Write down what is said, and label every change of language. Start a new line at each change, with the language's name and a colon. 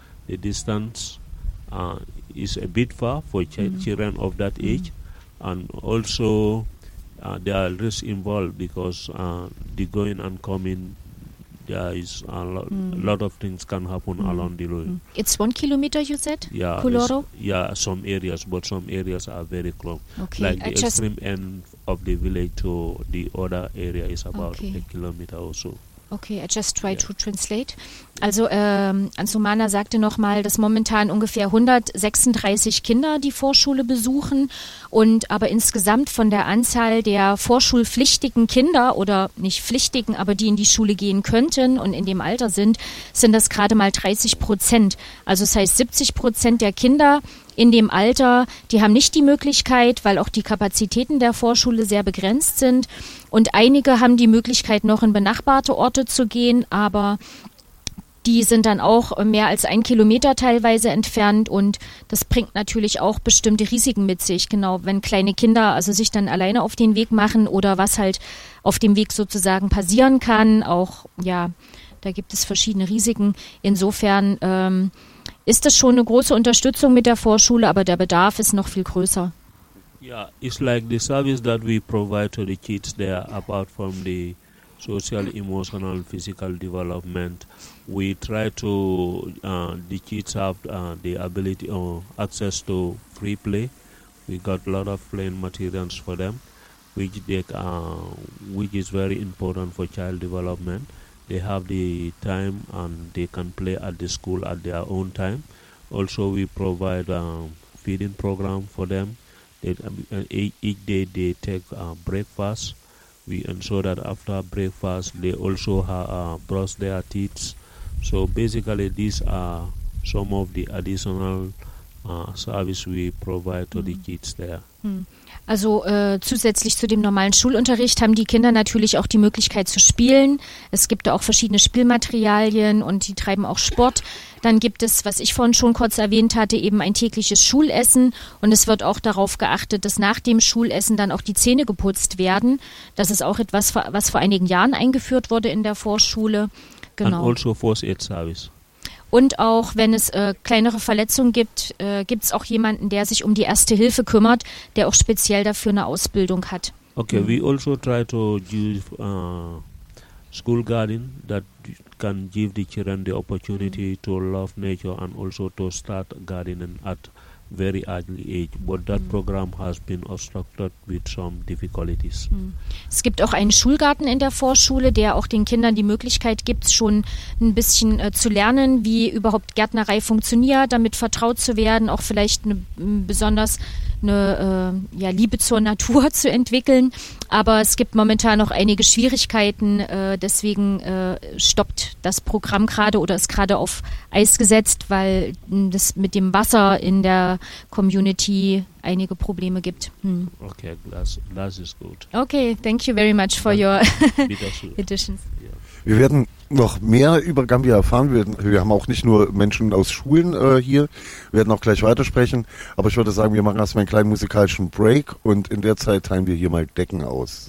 English: The distance is a bit far for children of that age, and also there are risks involved because the going and coming, there is a lot of things can happen along the road. It's 1 kilometer, you said? Yeah. Kuloro? Yeah, some areas, but some areas are very close. Okay. Like the extreme end of the village to the other area is about 1 kilometer or so. Okay, I just try to translate.
German: Also Anzumana sagte nochmal, dass momentan ungefähr 136 Kinder die Vorschule besuchen und aber insgesamt von der Anzahl der vorschulpflichtigen Kinder oder nicht pflichtigen, aber die in die Schule gehen könnten und in dem Alter sind, sind das gerade mal 30%. Also das heißt, 70% der Kinder in dem Alter, die haben nicht die Möglichkeit, weil auch die Kapazitäten der Vorschule sehr begrenzt sind. Und einige haben die Möglichkeit, noch in benachbarte Orte zu gehen, aber die sind dann auch mehr als 1 Kilometer teilweise entfernt. Und das bringt natürlich auch bestimmte Risiken mit sich. Genau, wenn kleine Kinder also sich dann alleine auf den Weg machen oder was halt auf dem Weg sozusagen passieren kann. Auch, ja, da gibt es verschiedene Risiken. Insofern ist das schon eine große Unterstützung mit der Vorschule, aber der Bedarf ist noch viel größer.
English: Ja, it's like the service that we provide to the kids there, apart from the social, emotional, physical development. We try to, the kids have the ability or access to free play. We got a lot of playing materials for them, which is very important for child development. They have the time and they can play at the school at their own time. Also, we provide a feeding program for them. Each day they take breakfast. We ensure that after breakfast they also brush their teeth. So basically these are some of the additional service we provide to the kids there.
German: Also zusätzlich zu dem normalen Schulunterricht haben die Kinder natürlich auch die Möglichkeit zu spielen. Es gibt da auch verschiedene Spielmaterialien und die treiben auch Sport. Dann gibt es, was ich vorhin schon kurz erwähnt hatte, eben ein tägliches Schulessen. Und es wird auch darauf geachtet, dass nach dem Schulessen dann auch die Zähne geputzt werden. Das ist auch etwas, was vor einigen Jahren eingeführt wurde in der Vorschule.
English: Genau. And also First Aid Service.
German: Und auch wenn es kleinere Verletzungen gibt, gibt es auch jemanden, der sich um die Erste Hilfe kümmert, der auch speziell dafür eine Ausbildung hat.
English: Okay, we also try to use school garden that can give the children the opportunity to love nature and also to start gardening at very early age. But that program has been obstructed with some difficulties.
German: Es gibt auch einen Schulgarten in der Vorschule, der auch den Kindern die Möglichkeit gibt, schon ein bisschen zu lernen, wie überhaupt Gärtnerei funktioniert, damit vertraut zu werden, auch vielleicht eine Liebe zur Natur zu entwickeln. Aber es gibt momentan noch einige Schwierigkeiten, deswegen stoppt das Programm gerade oder ist gerade auf Eis gesetzt, weil das mit dem Wasser in der Community einige Probleme gibt. Okay, das ist gut.
English: Okay, thank you very much for your additions.
German: Wir werden noch mehr über Gambia erfahren. Wir haben auch nicht nur Menschen aus Schulen hier. Wir werden auch gleich weitersprechen. Aber ich würde sagen, wir machen erstmal einen kleinen musikalischen Break und in der Zeit teilen wir hier mal Decken aus.